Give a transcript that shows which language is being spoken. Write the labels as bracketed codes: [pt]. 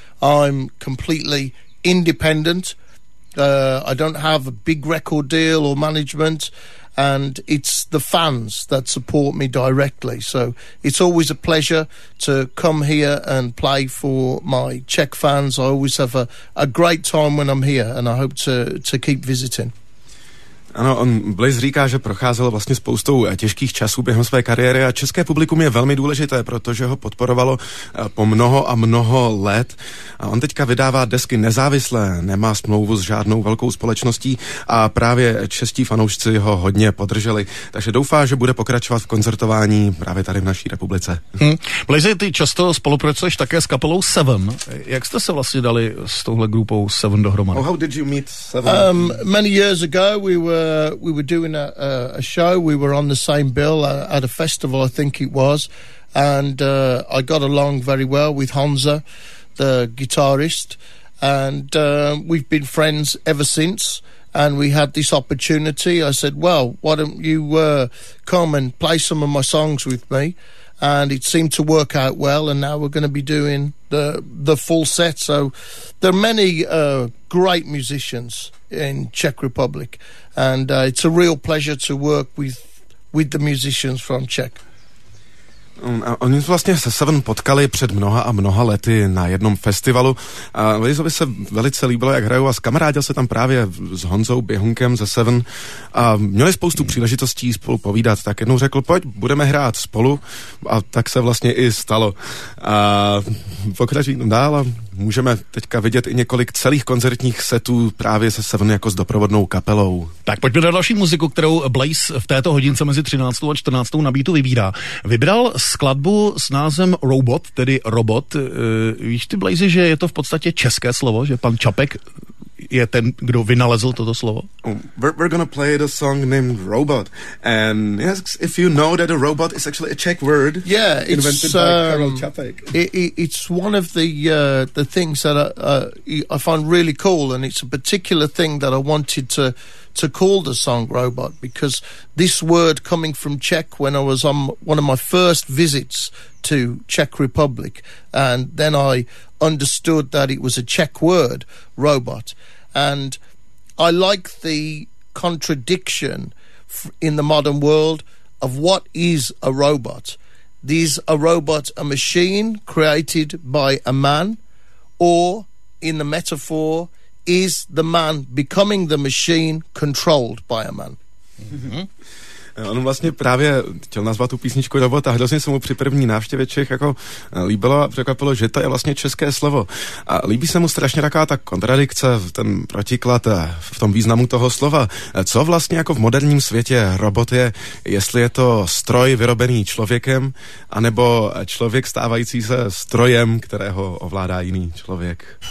[en] I'm completely independent. I don't have a big record deal or management, and it's the fans that support me directly. So it's always a pleasure to come here and play for my Czech fans. I always have a great time when I'm here, and I hope to keep visiting. [cs] Ano, on Blaise říká, že procházel vlastně spoustou těžkých časů během své kariéry a české publikum je velmi důležité, protože ho podporovalo po mnoho a mnoho let. A on teďka vydává desky nezávisle, nemá smlouvu s žádnou velkou společností a právě čeští fanoušci ho hodně podrželi. Takže doufá, že bude pokračovat v koncertování právě tady v naší republice. Blaise, ty často spolupracuješ také s kapelou Seven. Jak jste se vlastně dali s touhle grupou Seven dohromady? [en] How did you meet Seven? Many years ago we were doing a show. We were on the same bill at a festival, I think it was, and I got along very well with Honza, the guitarist, and we've been friends ever since, and we had this opportunity. I said, well, why don't you come and play some of my songs with me, and it seemed to work out well, and now we're going to be doing the full set. So there are many great musicians in Czech Republic, and it's a real pleasure to work with the musicians from Czech. [cs] A oni se vlastně se Seven potkali před mnoha a mnoha lety na jednom festivalu a Lizovi se velice líbilo, jak hrajou, a zkamarádil se tam právě s Honzou Běhunkem ze Seven a měli spoustu příležitostí spolu povídat, tak jednou řekl, pojď, budeme hrát spolu, a tak se vlastně i stalo. A pokračují dál a můžeme teďka vidět i několik celých koncertních setů právě se Seven jako s doprovodnou kapelou. Tak pojďme na další muziku, kterou Blaze v této hodince mezi 13. a 14. na beatu vybírá. Vybral skladbu s názvem Robot, tedy robot. Víš ty, Blaze, že je to v podstatě české slovo, že pan Čapek je ten, kdo vynalezl toto slovo? [en] We're gonna play the song named Robot. And yes, if you know that a robot is actually a Czech word. Yeah, it's invented by Karel Čapek. It's one of the things that I find really cool, and it's a particular thing that I wanted to call the song Robot, because this word coming from Czech when I was on one of my first visits to Czech Republic, and then I understood that it was a Czech word, robot. And I like the contradiction in the modern world of what is a robot. Is a robot a machine created by a man? Or, in the metaphor, is the man becoming the machine controlled by a man? [cs] On vlastně právě chtěl nazvat tu písničku Robot a hrozně se mu při první návštěvě Čech jako líbilo a překvapilo, že to je vlastně české slovo. A líbí se mu strašně taková ta kontradikce, ten protiklad v tom významu toho slova. Co vlastně jako v moderním světě robot je, jestli je to stroj vyrobený člověkem, anebo člověk stávající se strojem, kterého ovládá jiný člověk.